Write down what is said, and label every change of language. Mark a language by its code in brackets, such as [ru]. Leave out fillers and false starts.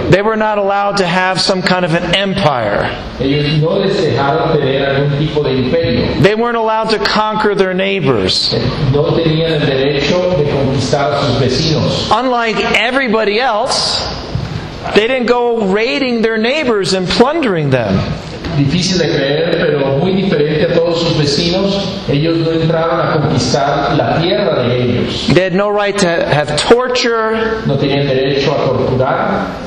[en] They were not allowed to have some kind of an empire. [es] Ellos no les dejaron tener algún tipo de imperio. [en] They weren't allowed to conquer their neighbors. [es] No tenían el derecho de conquistar a sus vecinos. [en] Unlike everybody else, they didn't go raiding their neighbors and plundering them. [es] Difícil de creer, pero muy diferente a todos sus vecinos, ellos no entraron a conquistar la tierra de ellos. [en] They had no right to have torture. [es] No tenían derecho a torturar.